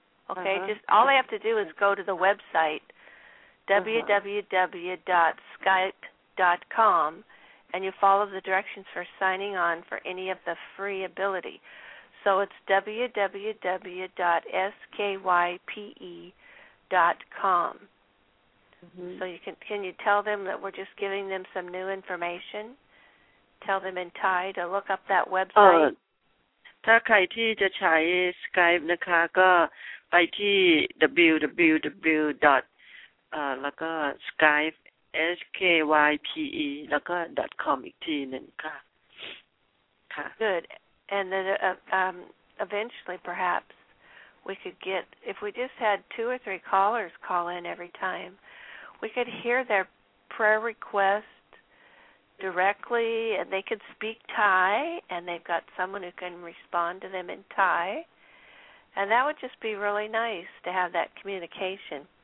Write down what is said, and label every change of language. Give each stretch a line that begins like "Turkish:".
English: Okay, all they have to do is go to the website, www.skype.com, and you follow the directions for signing on for any of the free ability. So it's www.skype.com. Mm-hmm. So you can you tell them that we're just giving them some new information? Tell them in Thai to look up that website.
Thai: ถ้าใครที่จะใช้ Skype นะคะก็ไปที่ www. แล้วก็ Skype SKYPE แล้วก็ .com อีกทีนึงค่ะค่ะ
English: Good and then eventually perhaps we could get if we just had two or three callers call in every time we could hear their prayer request directly and they could speak Thai and they've got someone who can respond to them in Thai and that would just be really nice to have that communication.